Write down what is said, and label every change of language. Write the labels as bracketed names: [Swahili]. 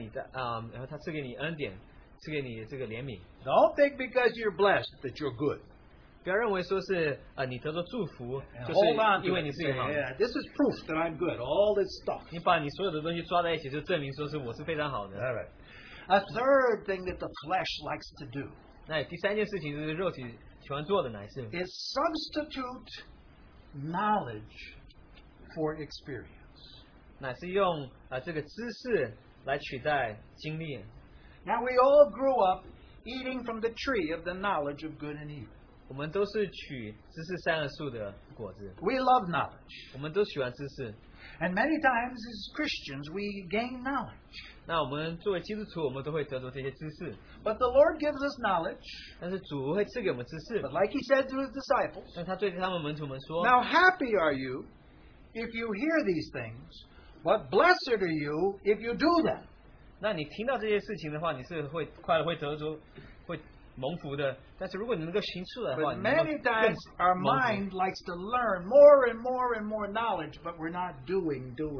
[Chinese] 他爱你，虽然他爱你，然后他赐给你恩典，赐给你这个怜悯。 [English] Don't think because you're blessed that you're good. [Chinese] 不要认为说是你得到祝福，就是因为你自己好。 [English] Yeah, this is proof that I'm good. All this stuff. [Chinese] 你把你所有的东西抓在一起，就证明说是我是非常好的。 [English] All right. A third thing that the flesh likes to do. [Chinese] 那第三件事情就是肉体喜欢做的乃是 [English] is substitute knowledge for experience. [Chinese] 乃是用这个知识来取代经历。 [English] Now we all grew up eating from the tree of the knowledge of good and evil. We love knowledge. And many times as Christians, we gain knowledge. But the Lord gives us knowledge. But like he said to his disciples, now happy are you if you hear these things, but blessed are you if you do them. [Chinese] 那你听到这些事情的话，你是会快乐，会得着，会蒙福的。但是如果你能够行出来的话， [English] but many times our mind likes to learn more and more and more knowledge, but we're not doing.